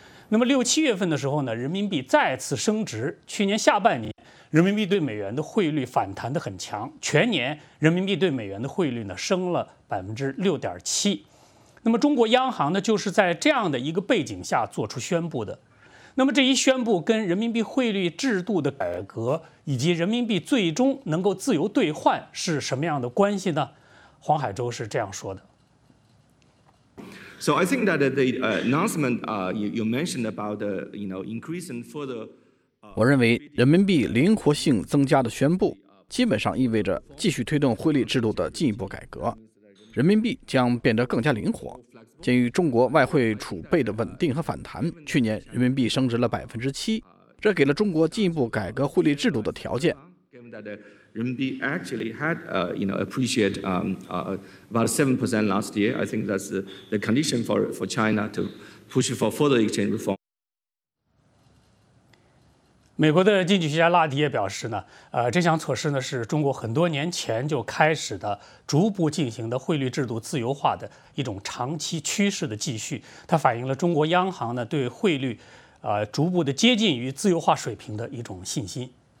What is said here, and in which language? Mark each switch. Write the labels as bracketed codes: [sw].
[zh] 那么6、7月份的时候呢，人民币再次升值，去年下半年人民币对美元的汇率反弹得很强，全年人民币对美元的汇率呢升了6.7%。那么中国央行呢就是在这样的一个背景下做出宣布的。那么这一宣布跟人民币汇率制度的改革以及人民币最终能够自由兑换是什么样的关系呢？黄海洲是这样说的。 [en] So I think that the announcement you mentioned about the increase in further， [zh] 我认为人民币灵活性增加的宣布基本上意味着继续推动汇率制度的进一步改革，人民币将变得更加灵活。鉴于中国外汇储备的稳定和反弹，去年人民币升值了7%，这给了中国进一步改革汇率制度的条件。 [en] 人民币 actually had appreciate about 7% last year. I think that's the condition for China to push for further exchange reform. [zh] 美国的经济学家拉迪也表示呢，这项措施呢是中国很多年前就开始的逐步进行的汇率制度自由化的一种长期趋势的继续，它反映了中国央行呢对汇率逐步的接近于自由化水平的一种信心。